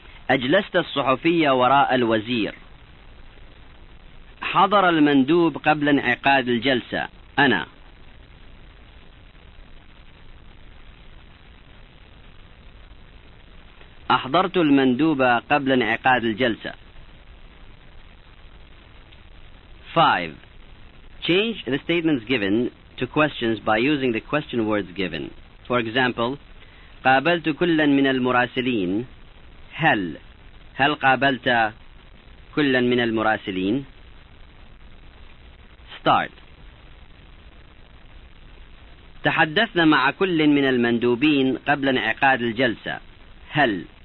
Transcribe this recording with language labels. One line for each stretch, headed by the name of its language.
Arabic: أجلست الصحفي وراء الوزير. حضر المندوب قبل انعقاد الجلسة. أنا. أحضرت المندوب قبل انعقاد الجلسة.
English: 5. Change the statements given to questions by using the question words given. For example,
Arabic: قابلت كلا من المراسلين. هل. هل قابلت كلا من المراسلين؟
English: Start.
Arabic: تحدثنا مع كل من المندوبين قبل انعقاد الجلسة. هل.